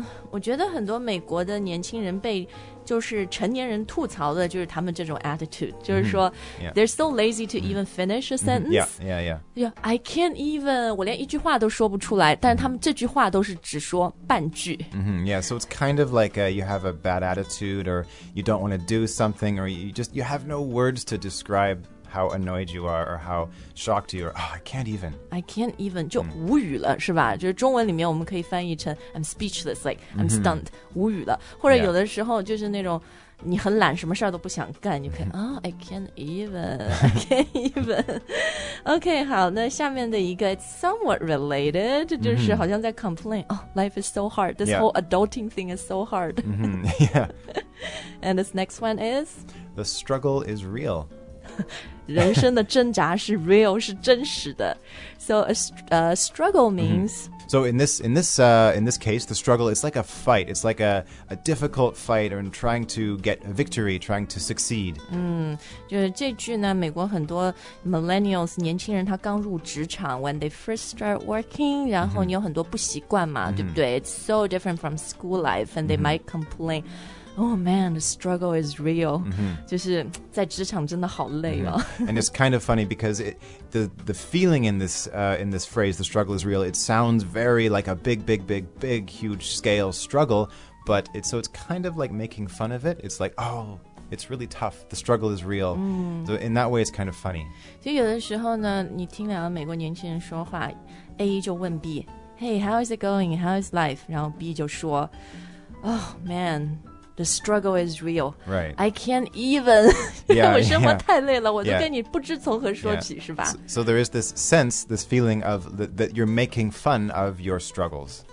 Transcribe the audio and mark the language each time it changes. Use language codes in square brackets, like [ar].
[zh] 我觉得很多美国的年轻人被就是成年人吐槽的就是他们这种 attitude 就是说、mm-hmm. [en] yeah. They're so lazy to even finish a sentence、mm-hmm. Yeah, I can't even [zh] 我连一句话都说不出来但他们这句话都是只说半句、 [en] mm-hmm. Yeah, so it's kind of like you have a bad attitude or you don't want to do something or you have no words to describehow annoyed you are or how shocked you are. Oh, I can't even. [zh] 就无语了、是吧就是中文里面我们可以翻译成 [en] I'm speechless, like I'm stunned,、 [zh] mm-hmm. 无语了。或者有的时候就是那种你很懒什么事都不想干你可以、mm-hmm. [en] Oh, I can't even. OK, [zh] 好那下面的一个 [en] it's somewhat related, [zh] 就是好像在 [en] complain,、mm-hmm. Oh, life is so hard. This、 yeah. whole adulting thing is so hard.、 Mm-hmm. Yeah. And this next one is? The struggle is real. [zh] 人生的挣扎是 real, 是真实的。 [en] So a struggle means...、 Mm-hmm. So in this case, the struggle is like a fight. It's like a difficult fight and trying to get a victory, trying to succeed.、 [zh] 就是这句呢美国很多 millennials, 年轻人他刚入职场 [en] when they first start working, [zh] 然后你有很多不习惯嘛、mm-hmm. 对不对 [en] It's so different from school life and they、 [zh] mm-hmm. [en] might complain... Oh man, the struggle is real.、 Mm-hmm. [zh] 就是在职场真的好累啊。 [en] Mm-hmm. And it's kind of funny because the feeling in this phrase, the struggle is real, it sounds very like a big, huge scale struggle, but it's kind of like making fun of it. It's like, oh, it's really tough. The struggle is real.、 Mm-hmm. So in that way, it's kind of funny. [zh] 所以有的时候呢，你听两个美国年轻人说话 ，A 就问 B, [en] "Hey, how is it going? How is life?" [zh] 然后 B 就说 [en] "Oh man." The struggle is real. Right. I can't even. Yeah, [zh] 我生活太累了，我都跟你不知从何说起，是吧？ [en] So there is this sense, this feeling of that you're making fun of your struggles.